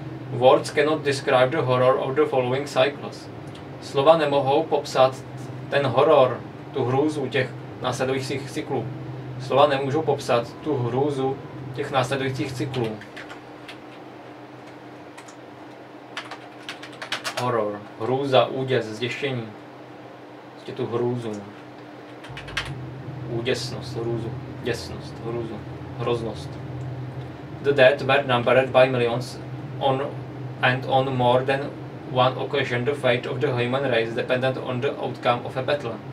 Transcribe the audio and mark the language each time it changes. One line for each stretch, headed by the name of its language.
English: Words cannot describe the horror of the following cycles.
Czech: Slova nemohou popsat ten horor, tu hrůzu těch následujících cyklů. slova nemůžou popsat tu hrůzu těch následujících cyklů. Horror, hrůza, úděs, zděšení. Prostě tu hrůzu. Úděsnost, hrůzu, děsnost, hrůzu, hroznost.
English: The dead were numbered by millions on and on more than one occasion the fate of the human race dependent on the outcome of a battle.